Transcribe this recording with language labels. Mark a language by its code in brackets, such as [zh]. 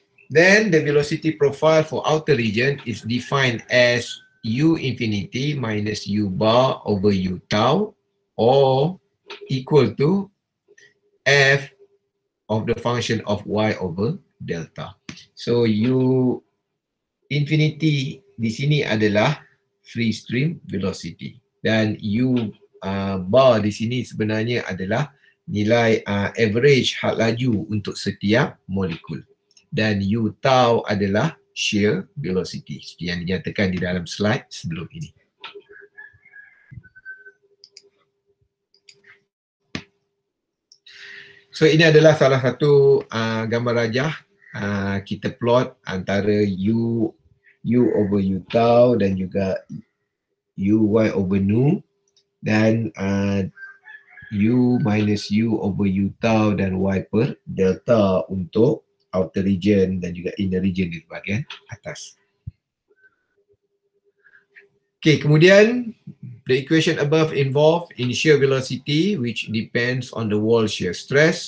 [en] Then the velocity profile for outer region is defined as U infinity minus U bar over U tau, or equal to F of the function of Y over delta. [ms] So U infinity di sini adalah free stream velocity, dan U bar di sini sebenarnya adalah nilai average had laju untuk setiap molekul, dan U tau adalah shear velocity yang dinyatakan di dalam slide sebelum ini. So ini adalah salah satu gambar rajah. Kita plot antara U over U tau dan juga UY over nu, dan U minus U over U tau dan Y per delta untuk outer region dan juga inner region di bahagian atas. [en] Okay, kemudian the equation above involve in shear velocity which depends on the wall shear stress.